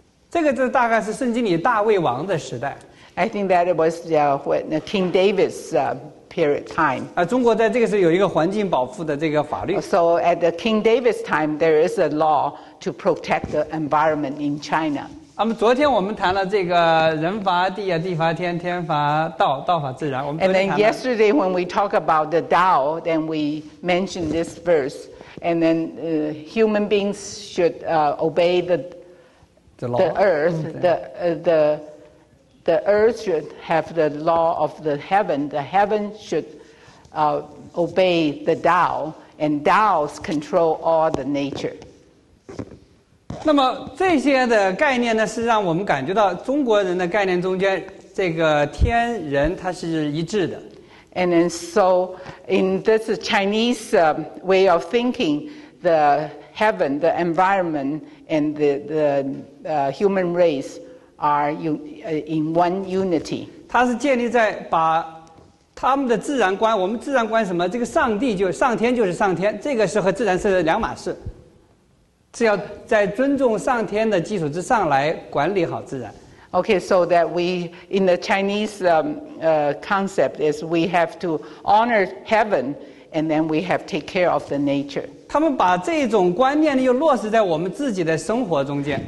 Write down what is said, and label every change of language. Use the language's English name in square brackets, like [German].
[Chinese] 这个就大概是圣经里大卫王的时代。 [English] I think that it was when King David's period time. [Chinese] 中国在这个时候有一个环境保护的这个法律。 [English] So at the King David's time, there is a law to protect the environment in China. [Chinese] 昨天我们谈了这个人罚地啊，地罚天，天罚道，道罚自然。我们昨天谈了。 [English] And then yesterday when we talk about the Tao, then we mentioned this verse. And then human beings should obey the earth should have the law of the heaven. The heaven should obey the Tao, and Tao's control all the nature. [Chinese] 那么这些的概念呢，是让我们感觉到中国人的概念中间，这个天人它是一致的。 [English] And then so in this Chinese way of thinking, the heaven, the environment, and the human race are in one unity. [Chinese] 它是建立在把他们的自然观，我们自然观什么？这个上帝就上天就是上天，这个是和自然是两码事。是要在尊重上天的基础之上来管理好自然。 [English] Okay, so that we, in the Chinese concept is we have to honor heaven and then we have to take care of the nature. [Chinese] 他们把这种观念又落实在我们自己的生活中间。